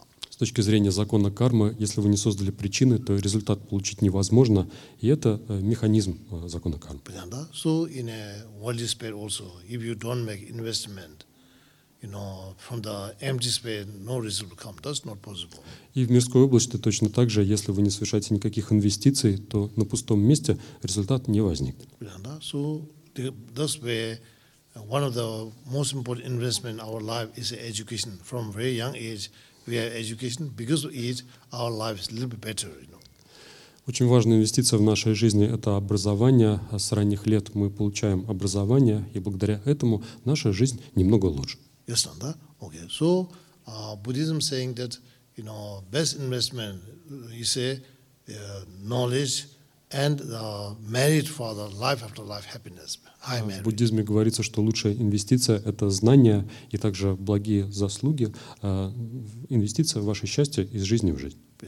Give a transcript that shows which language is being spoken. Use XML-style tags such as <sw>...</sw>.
<ru>С точки зрения закона кармы, если вы не создали причины, то результат получить невозможно. И это механизм закона кармы.</ru> <en>So in a worldly space also, if you don't make investment, you know, from the empty space, no result will come. That's not possible.</en> <ru>И в мирской области точно так же, если вы не совершаете никаких инвестиций, то на пустом месте результат не возникнет.</ru> <en>So that's where one of the most important investments in our life is education from very young age. We have education because of it, our life is a little bit better, you know.</en> <ru>Очень важная инвестиция в нашей жизни — это образование. С ранних лет мы получаем образование, и благодаря этому наша жизнь немного лучше.</ru> <en>Yes, no, okay. So Buddhism saying that, you know, best investment you say knowledge and merit for the life after life happiness.</en> <ru>В буддизме говорится, что лучшая инвестиция — это знание и также благие заслуги, инвестиция в ваше счастье из жизни в жизнь.</ru>